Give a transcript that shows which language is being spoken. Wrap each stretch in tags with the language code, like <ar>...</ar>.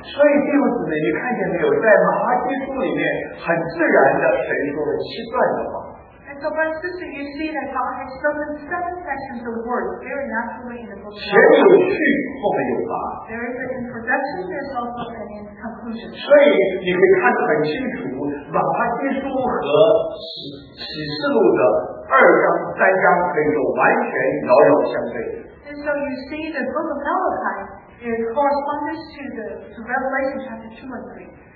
<zh>所以弟兄姊妹，你看见没有？在马拉基书里面，很自然的神说了七段的话。</zh> <en>And so brothers and sisters, you see that God has spoken seven sections of words very naturally in the book of</en> <zh>Acts. 前有序，后面有答.</zh> <en>There is an introduction, there is also an end conclusion.</en> <zh>所以你可以看得很清楚，马太耶稣和启示录的二章、三章可以有完全遥遥相对。</zh> <en>And so you see the book of Malachi is corresponding to the Revelation chapter 2 and 3.</en>